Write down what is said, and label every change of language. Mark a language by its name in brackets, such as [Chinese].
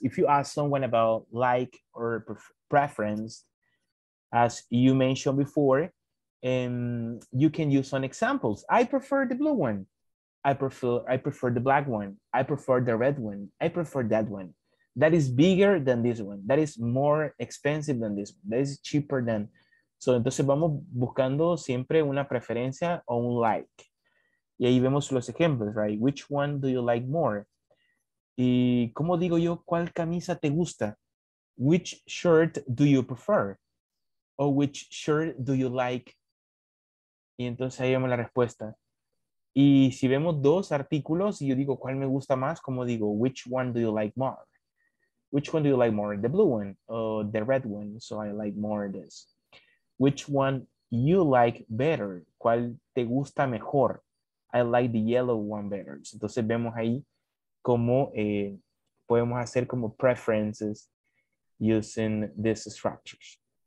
[English] If you ask someone about like or preference, as you mentioned before, you can use some examples. I prefer the blue one. I prefer the black one. I prefer the red one. I prefer that one. That is bigger than this one. That is more expensive than this one. That is cheaper than. [Spanish] So, entonces vamos buscando siempre una preferencia o un like. Y ahí vemos los ejemplos, right? [English] Which one do you like more? [Spanish] Y como digo yo, ¿cuál camisa te gusta? [English] Which shirt do you prefer? Or which shirt do you like? [Spanish] Y entonces ahí vemos la respuesta. Y si vemos dos artículos y yo digo, ¿cuál me gusta más? Como digo, [English] which one do you like more? Which one do you like more? The blue one or the red one? So I like more this. Which one you like better? [Spanish] ¿Cuál te gusta mejor? [English] I like the yellow one better. [Spanish] Entonces vemos ahí cómo podemos hacer como [English] preferences using these structures.